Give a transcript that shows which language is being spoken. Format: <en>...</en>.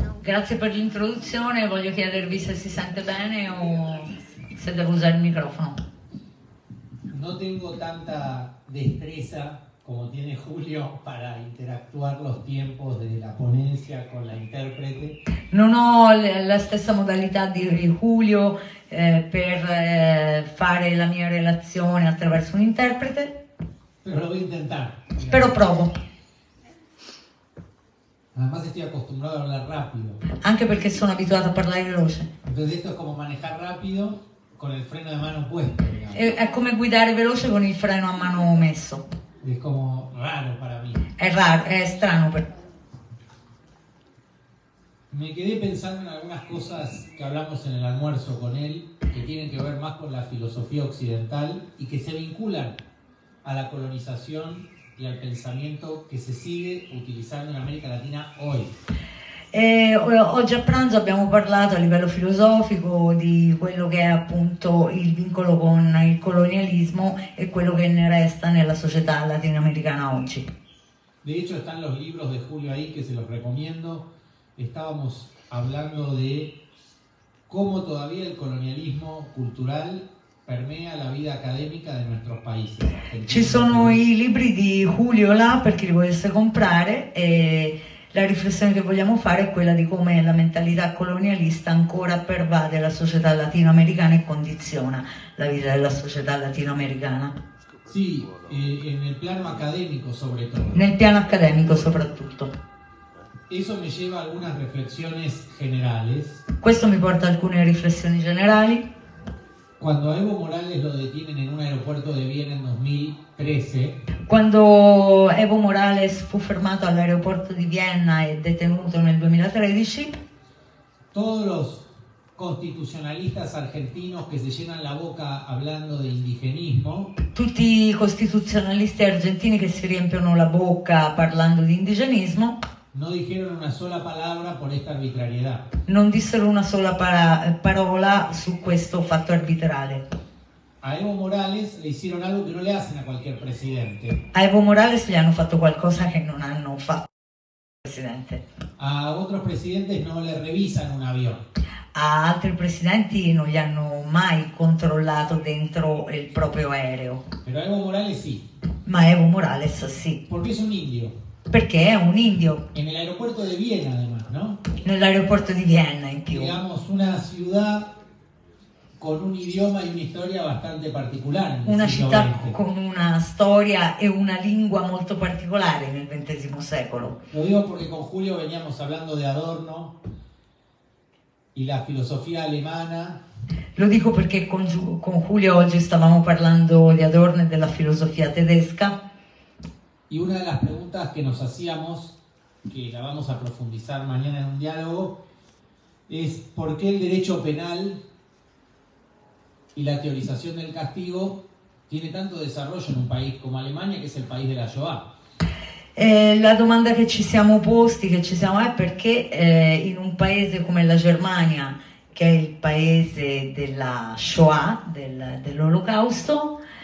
<es>Gracias por la introducción.</es> <it>Voglio chiedervi se si sente bene o se</it> <es>debo usar el micrófono. No tengo tanta destreza como tiene Julio para interactuar los tiempos de la ponencia con la intérprete.</es> <it>Non ho la stessa modalità di Julio per fare la mia relazione attraverso un interprete.</it> <es>Però lo voy a intentar.</es> <it>Però provo.</it> <es>Además estoy acostumbrado a hablar rápido.</es> <it>Anche perché sono abituato a parlare veloce.</it> <es>Entonces esto es como manejar rápido con el freno de mano puesto.</es> <it>È come guidare veloce con il freno a mano messo.</it> <es>Es como raro para mí. Es raro, es extraño. Pero... Me quedé pensando en algunas cosas que hablamos en el almuerzo con él, que tienen que ver más con la filosofía occidental y que se vinculan a la colonización y al pensamiento que se sigue utilizando en América Latina hoy.</es> <it>Oggi a pranzo abbiamo parlato a livello filosofico di quello che è appunto il vincolo con il colonialismo e quello che ne resta nella società latinoamericana oggi. De hecho están los libros de Julio ahí que se los recomiendo. Estábamos hablando de cómo todavía el colonialismo cultural permea la vida académica de nuestros países. Ci sono i libri di Julio là per chi li volesse comprare e la riflessione che vogliamo fare è quella di come la mentalità colonialista ancora pervade la società latinoamericana e condiziona la vita della società latinoamericana. Sì, e nel piano accademico soprattutto. Nel piano accademico soprattutto.</it> <es>Eso me lleva a algunas reflexiones generales.</es> <it>Questo mi porta a alcune riflessioni generali. Quando Evo Morales</it> <es>lo detienen</es> <it>in un aeroporto di Vienna nel 2013. Quando Evo Morales fu fermato all'aeroporto di Vienna e detenuto nel 2013,</it> <es>todos los constitucionalistas argentinos que se llenan la boca hablando de indigenismo,</es> <it>tutti i costituzionalisti argentini che si riempiono la bocca parlando di indigenismo,</it> <es>no dijeron una sola palabra por esta arbitrariedad.</es> <it>Non dissero una sola parola su questo fatto arbitrale.</it> <es>A Evo Morales le hicieron algo que no le hacen a cualquier presidente.</es> <it>A Evo Morales le hanno fatto qualcosa che non hanno fatto al presidente.</it> <es>A otros presidentes no le revisan un avión.</es> <it>A altri presidenti non gli hanno mai controllato dentro il proprio aereo.</it> <es>Pero a Evo Morales sì.</es> <it>Ma Evo Morales sì. Perché è un indio. Perché è un indio.</it> <es>En el aeropuerto de Viena, además, ¿no?</es> <it>Nell'aeroporto di Vienna in più.</it> <es>Digamos una ciudad con un idioma y una historia bastante particular.</es> <it>Una città con una storia e una lingua molto particolare nel XX secolo.</it> <es>Lo digo porque con Julio veníamos hablando de Adorno y la filosofía alemana.</es> <it>Lo dico perché con Julio oggi stavamo parlando di Adorno e della filosofia tedesca.</it> <es>Y una de las preguntas que nos hacíamos, que la vamos a profundizar mañana en un diálogo, es por qué el derecho penal y la teorización del castigo tiene tanto desarrollo en un país como Alemania, que es el país de la Shoah.</es> <it>La domanda che ci siamo posti, che ci siamo, è perché in un paese come la Germania, che è il paese della Shoah, dell'Olocausto,</it>